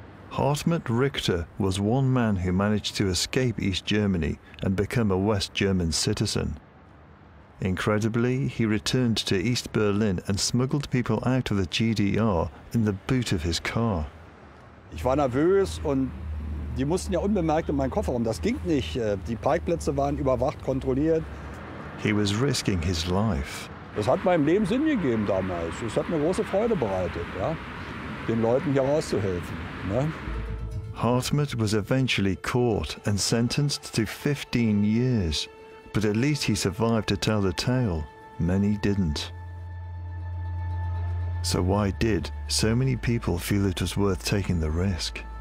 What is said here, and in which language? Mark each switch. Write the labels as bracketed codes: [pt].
[en] Hartmut Richter was one man who managed to escape East Germany and become a West German citizen. Incredibly, he returned to East Berlin and smuggled people out of the GDR in the boot of his car. [de] Ich war nervös und die mussten ja unbemerkt in meinen Kofferraum. Das ging nicht. Die Parkplätze waren überwacht, kontrolliert. [en] He was risking his life. [de] Das hat meinem Leben Sinn gegeben damals. Es hat mir große Freude bereitet, ja, den Leuten hier rauszuhelfen. Ne? [en] Hartmut was eventually caught and sentenced to 15 years. But at least he survived to tell the tale. Many didn't. So why did so many people feel it was worth taking the risk?